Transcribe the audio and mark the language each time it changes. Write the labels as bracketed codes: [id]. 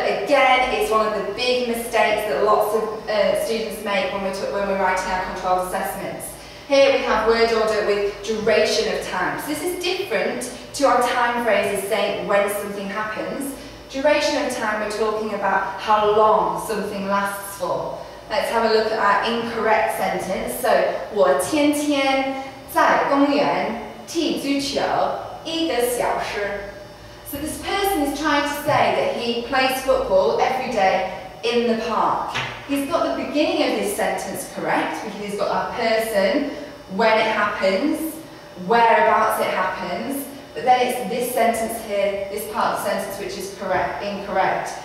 [en] Again, it's one of the big mistakes that lots of students make when we're writing our controlled assessments. Here we have word order with duration of time. So this is different to our time phrases saying when something happens. Duration of time, we're talking about how long something lasts for. Let's have a look at our incorrect sentence. [zh] So, 我天天在公园踢足球一个小时. [en] So this person is trying to say that he plays football every day in the park. He's got the beginning of this sentence correct, because he's got a person, when it happens, whereabouts it happens, but then it's this sentence here, this part of the sentence, which is incorrect.